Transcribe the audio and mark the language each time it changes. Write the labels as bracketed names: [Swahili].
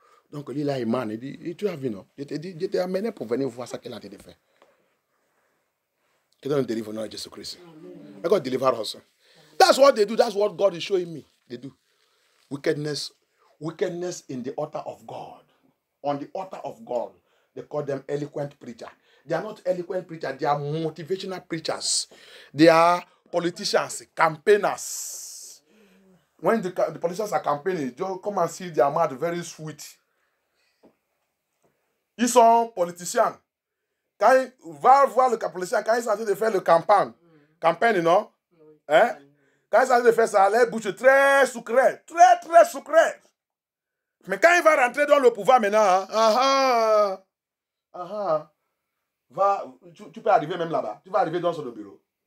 [French] Donc lui là, il m'a dit, tu as vu non? Je t'ai amené pour venir voir ce qu'il a été fait. Que Dieu nous délivre au nom de Jésus-Christ. Mais [English] God deliver us. That's what they do, that's what God is showing me. They do. Wickedness in the altar of God. On the altar of God. They call them eloquent preachers. They are not eloquent preachers, they are motivational preachers. They are politicians, campaigners. When the politicians are campaigning, they come and see their mouth very sweet. [French] Ils sont politiciens. Quand va voir le politicien, quand ils sont en train de faire le campagne, non? Quand ils sont en train de faire ça, les bouches très sucrées, très très sucrées. Mais quand il va rentrer dans le pouvoir maintenant, tu peux arriver même là-bas. Tu vas arriver dans son bureau.